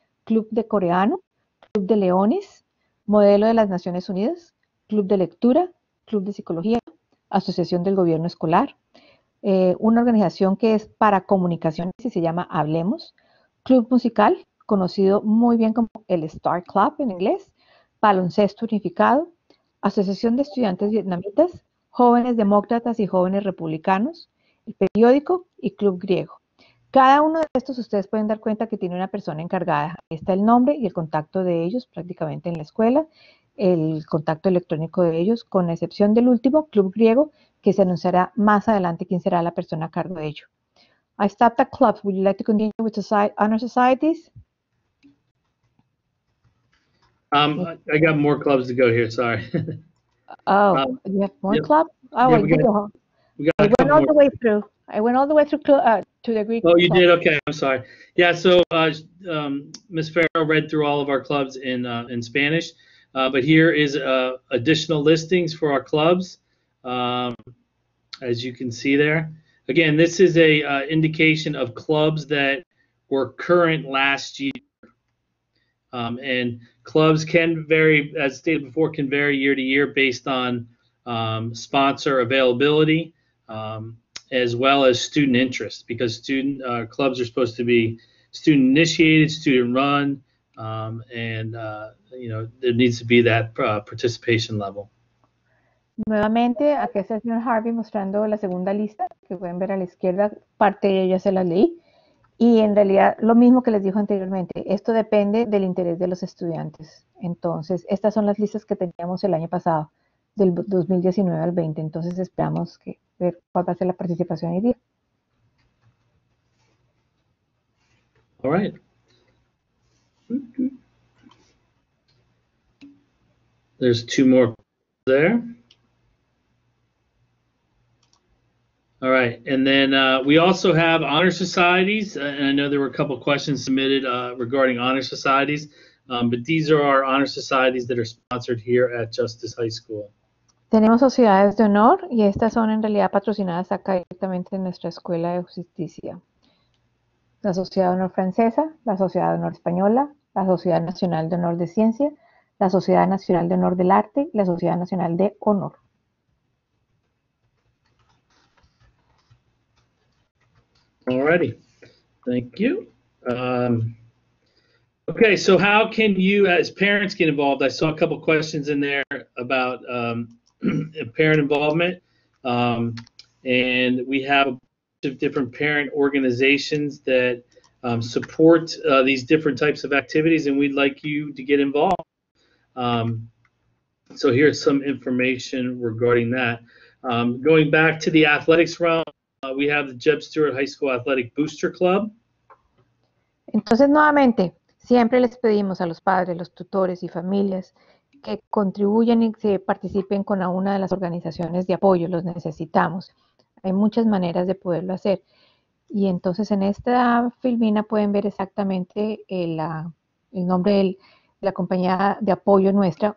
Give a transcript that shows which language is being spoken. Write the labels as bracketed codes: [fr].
[es] Club de Coreano, Club de Leones, Modelo de las Naciones Unidas, Club de Lectura, Club de Psicología, Asociación del Gobierno Escolar, una organización que es para comunicaciones y se llama Hablemos, Club Musical, conocido muy bien como el Star Club en inglés, Baloncesto Unificado, Asociación de Estudiantes Vietnamitas, Jóvenes Demócratas y Jóvenes Republicanos, el Periódico y Club Griego. Cada uno de estos ustedes pueden dar cuenta que tiene una persona encargada. Ahí está el nombre y el contacto de ellos prácticamente en la escuela, el contacto electrónico de ellos, con excepción del último, Club Griego, que se anunciará más adelante quién será la persona a cargo de ello. [en] I stopped at clubs. Would you like to continue with honor societies? I got more clubs to go here, sorry. Oh, you have more clubs? Oh, yeah, I went all the way through to the Greek. Oh, you did? Okay, I'm sorry. Yeah, so Ms. Farrow read through all of our clubs in Spanish, but here is additional listings for our clubs, as you can see there. Again, this is a indication of clubs that were current last year. And clubs can vary, as stated before, can vary year to year based on sponsor availability, as well as student interest, because clubs are supposed to be student initiated, student run, there needs to be that participation level. [es] Nuevamente, aquí está el señor Harvey mostrando la segunda lista, que pueden ver a la izquierda, parte de ella ya se la leí, y en realidad lo mismo que les dijo anteriormente, esto depende del interés de los estudiantes. Entonces, estas son las listas que teníamos el año pasado, del 2019 al 20, entonces esperamos que ver cuál va a ser la participación hoy día. [en] All right. There's two more there. All right, and then we also have honor societies, and I know there were a couple questions submitted regarding honor societies, but these are our honor societies that are sponsored here at Justice High School. [es] Tenemos sociedades de honor, y estas son en realidad patrocinadas acá directamente en nuestra Escuela de Justicia. La Sociedad de Honor Francesa, la Sociedad de Honor Española, la Sociedad Nacional de Honor de Ciencia, la Sociedad Nacional de Honor del Arte, la Sociedad Nacional de Honor. [en] Alrighty, thank you. Okay, so how can you, as parents, get involved? I saw a couple questions in there about parent involvement, and we have a bunch of different parent organizations that support these different types of activities, and we'd like you to get involved. So here's some information regarding that. Going back to the athletics realm, we have the Jeb Stuart High School Athletic Booster Club. [es] Entonces, nuevamente, siempre les pedimos a los padres, los tutores y familias que contribuyan y se participen con alguna de las organizaciones de apoyo. Los necesitamos. Hay muchas maneras de poderlo hacer. Y entonces, en esta filmina pueden ver exactamente el nombre de la compañía de apoyo nuestra.